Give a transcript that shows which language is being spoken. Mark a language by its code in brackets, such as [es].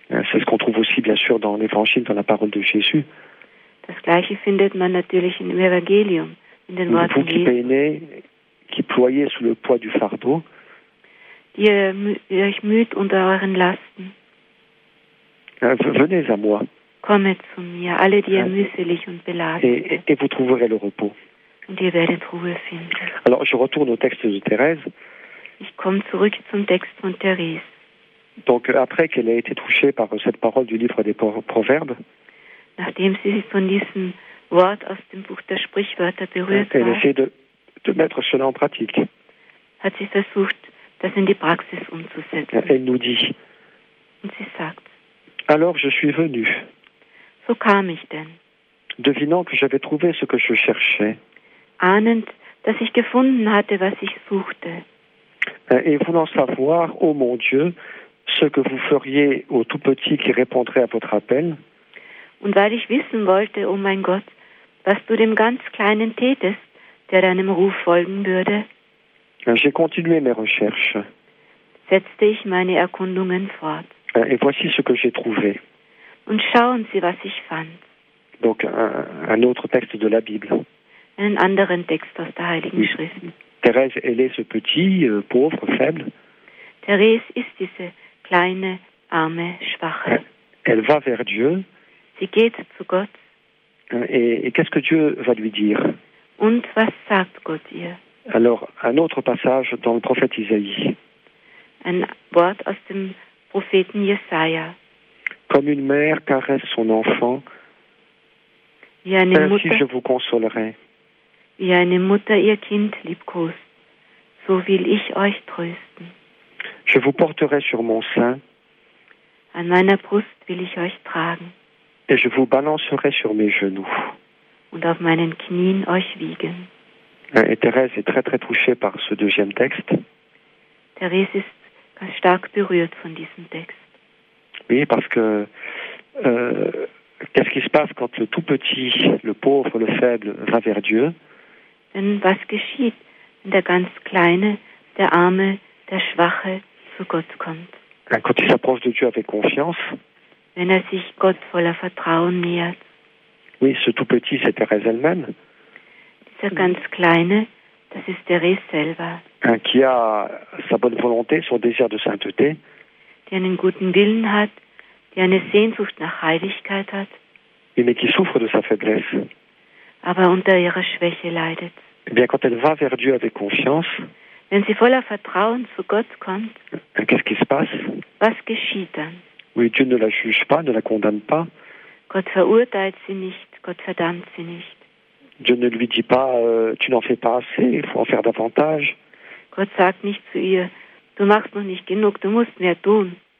[fr] C'est ce qu'on trouve aussi, bien sûr, dans l'Évangile, dans la parole de Jésus. [de] Das Gleiche findet man natürlich im Evangelium, in den Worten Jesu. [fr] Vous qui peinez, qui ployez sous le poids du fardeau. [de] Ihr euch müht unter euren Lasten. [fr] Venez à moi. [de] Kommet zu mir, alle, die ihr mühselig und beladen seid. [fr] Et vous trouverez le repos. [de] Und ihr werdet Ruhe finden. [fr] Alors, je retourne au texte de Thérèse. [de] Ich komme zurück zum Text von Thérèse. [fr] Donc, après qu'elle ait été touchée par cette parole du livre des Proverbes, [de] nachdem sie sich von diesem Wort aus dem Buch der Sprichwörter berührt hat, [fr] elle essaie de mettre cela en pratique. [de] Hat sie versucht, das in die Praxis umzusetzen. [fr] Elle nous dit. [de] Und sie sagt. [fr] Alors je suis venu. [de] So kam ich denn. [fr] Devinant que j'avais trouvé ce que je cherchais. [de] Ahnend, dass ich gefunden hatte, was ich suchte. [fr] Et voulant savoir, ô mon Dieu, ce que vous feriez au tout petit qui répondrait à votre appel. [de] Und weil ich wissen wollte, oh mein Gott, was du dem ganz Kleinen tätest, der deinem Ruf folgen würde. [fr] J'ai continué mes recherches. [de] Setzte ich meine Erkundungen fort. [fr] Et voici ce que j'ai trouvé. [de] Und schauen Sie, was ich fand. [fr] Donc, un autre texte de la Bible. [de] Einen anderen Text aus der Heiligen Schrift. [fr] Thérèse, elle est ce petit, pauvre, faible. [de] Thérèse ist diese kleine, arme, schwache. [fr] Elle va vers Dieu. [de] Sie geht zu Gott. [fr] Et qu'est-ce que Dieu va lui dire? [de] Und was sagt Gott ihr? [fr] Alors, un autre passage dans le prophète Isaïe. [de] Ein Wort aus dem Propheten Jesaja. [fr] Comme une mère caresse son enfant, ainsi je vous consolerai. [de] Wie eine Mutter ihr Kind liebkost, so will ich euch trösten. [fr] Je vous porterai sur mon sein. [de] An meiner Brust will ich euch tragen. [fr] Et je vous balancerai sur mes genoux. [de] Und auf meinen Knien euch wiegen. [fr] Et Thérèse est très très touchée par ce deuxième texte. [de] Thérèse ist ganz stark berührt von diesem Text. [fr] Oui, parce que qu'est-ce qui se passe quand le tout petit, le pauvre, le faible va vers Dieu? [de] Denn was geschieht, wenn der ganz Kleine, der Arme, der Schwache zu Gott kommt? [fr] Quand il s'approche de Dieu avec confiance. [de] Wenn er sich Gott voller Vertrauen nähert. [fr] Oui, ce tout petit, c'est Thérèse elle-même. [de] Dieser ganz Kleine, das ist Thérèse selber. [fr] Qui a sa bonne volonté, son désir de sainteté. [de] Die einen guten Willen hat, die eine Sehnsucht nach Heiligkeit hat. [fr] Et mais qui souffre de sa faiblesse. [de] Aber unter ihrer Schwäche leidet. [fr] Et bien, quand elle va vers Dieu avec confiance, [de] wenn sie voller Vertrauen zu Gott kommt, [fr] qu'est-ce qui se passe? [de] Was geschieht dann? [fr] Oui, Dieu ne la juge pas, ne la condamne pas. [de] Gott verurteilt sie nicht, Gott verdammt sie nicht. [fr] Dieu ne lui dit pas, tu n'en fais pas assez, il faut en faire davantage. [de] Gott sagt nicht zu ihr, du machst noch nicht genug, du musst mehr tun.